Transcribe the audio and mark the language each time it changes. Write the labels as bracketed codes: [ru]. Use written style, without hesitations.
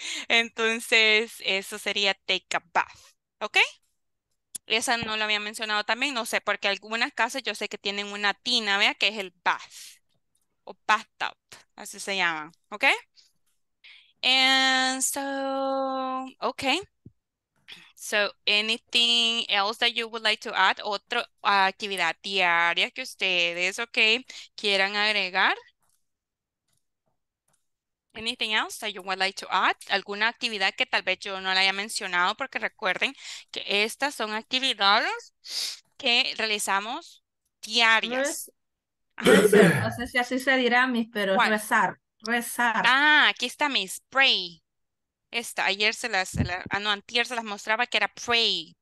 [es] Entonces, eso sería [en] take a bath. [es] ¿Ok? Esa no la había mencionado también, no sé, porque algunas casas yo sé que tienen una tina, vea, que es el bath, o bathtub, así se llama, ¿ok? [en] And so, ok. So, anything else that you would like to add? [es] Otra actividad diaria que ustedes, ¿ok? Quieran agregar. [en] Anything else that you would like to add? [es] ¿Alguna actividad que tal vez yo no la haya mencionado? Porque recuerden que estas son actividades que realizamos diarias. No sé si así se dirá, Miss, pero ¿cuál? Rezar. Ah, aquí está Miss, pray. Esta, ayer antier se las mostraba que era pray.